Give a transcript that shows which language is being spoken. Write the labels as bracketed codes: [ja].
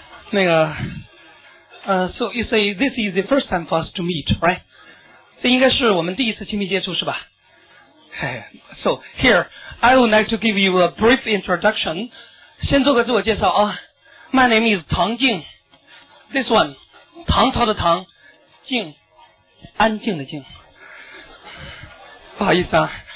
[en] 那个，So you say this is the first time for us to meet, right? [zh] 这应该是我们第一次亲密接触，是吧？ [en] So here, I would like to give you a brief introduction. [zh] 先做个自我介绍啊。 [en] My name is [zh] 唐静。 [en] This one, [zh] 唐朝的唐，静，安静的静。不好意思啊。